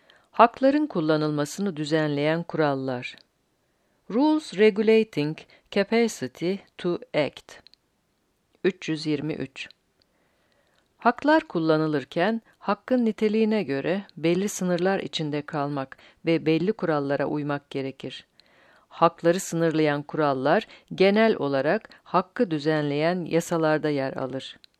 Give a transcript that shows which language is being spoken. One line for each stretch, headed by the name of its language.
Turkish: Hakların kullanılmasını düzenleyen kurallar.
English: Rules regulating capacity to act.
Turkish: 323. Haklar kullanılırken, hakkın niteliğine göre belli sınırlar içinde kalmak ve belli kurallara uymak gerekir. Hakları sınırlayan kurallar, genel olarak hakkı düzenleyen yasalarda yer alır.